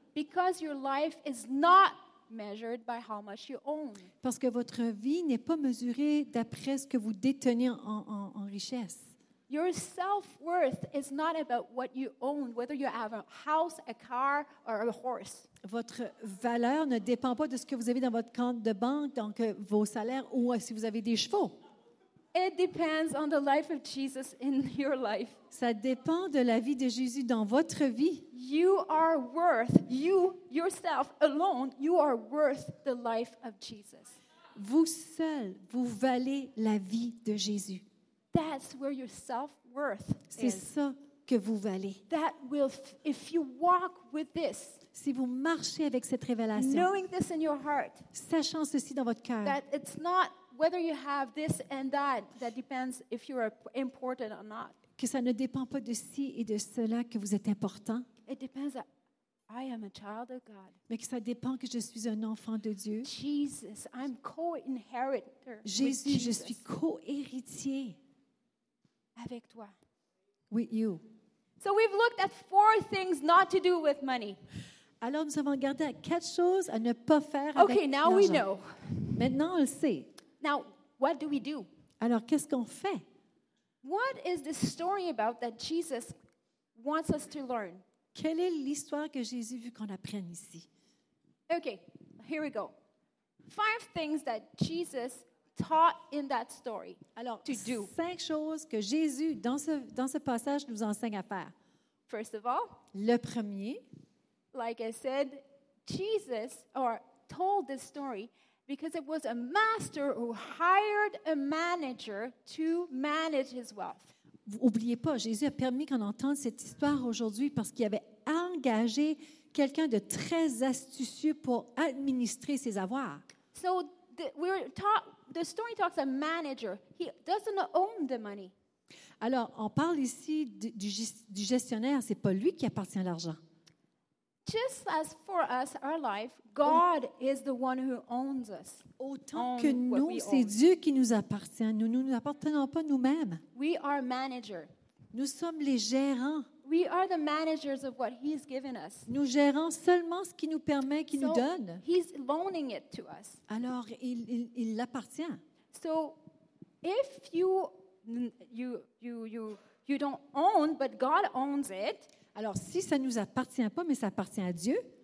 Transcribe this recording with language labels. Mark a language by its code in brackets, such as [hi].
[en] Because your life is not measured by how much you own. [fr] Parce que votre vie n'est pas mesurée d'après ce que vous détenez en richesse. [en] Your self-worth is not about what you own, whether you have a house, a car, or a horse. [fr] Votre valeur ne dépend pas de ce que vous avez dans votre compte de banque, donc vos salaires ou si vous avez des chevaux. [en] It depends on the life of Jesus in your life. [fr] Ça dépend de la vie de Jésus dans votre vie. [en] You are worth, you yourself alone, you are worth the life of Jesus. [fr] Vous seul, vous valez la vie de Jésus. [en] That's where your self-worth is. [fr] C'est ça que vous valez. [en] That will, if you walk with this, [fr] si vous marchez avec cette révélation, [en] knowing this in your heart, [fr] sachant ceci dans votre cœur, [en] that it's not whether you have this and that, that depends if you are important or not. [fr] Que ça ne dépend pas de ci et de cela que vous êtes important. [en] It depends that I am a child of God. [fr] Mais que ça dépend que je suis un enfant de Dieu. [en] Jesus, I'm co-inheritor. [fr] Jésus, je suis co-héritier. Avec toi. [en] With you. So we've looked at four things not to do with money. [fr] Alors nous avons regardé à quatre choses à ne pas faire avec l'argent. [en] Okay, now [fr] l'argent. [en] We know. [fr] Maintenant on le sait. [en] Now, what do we do? [fr] Alors qu'est-ce qu'on fait? [en] What is the story about that Jesus wants us to learn? [fr] Quelle est l'histoire que Jésus veut qu'on apprenne ici? [en] Okay, here we go. Five things that Jesus taught in that story. [fr] Alors, [en] to do. [fr] Cinq choses que Jésus dans ce passage nous enseigne à faire. [en] First of all, [fr] le premier, [en] like I said, Jesus or told this story because it was a master who hired a manager to manage his wealth. [fr] N'oubliez pas, Jésus a permis qu'on entende cette histoire aujourd'hui parce qu'il avait engagé quelqu'un de très astucieux pour administrer ses avoirs. [en] So the story talks a manager. He doesn't own the money. [fr] Alors, on parle ici du gestionnaire. C'est pas lui qui appartient à l'argent. [en] Just as for us, our life, God is the one who owns us. [fr] Autant que nous, c'est Dieu qui nous appartient. Nous ne nous appartenons pas nous-mêmes. [en] We are manager. [fr] Nous sommes les gérants. [en] We are the managers of what He's given us. [fr] Nous gérons seulement ce qui nous permet, qui nous donne. [en] So He's loaning it to us. [fr] Alors, il l'appartient. [en] So, if you don't own, but God owns it. [fr] Alors, si ça ne nous appartient pas, mais ça appartient à Dieu,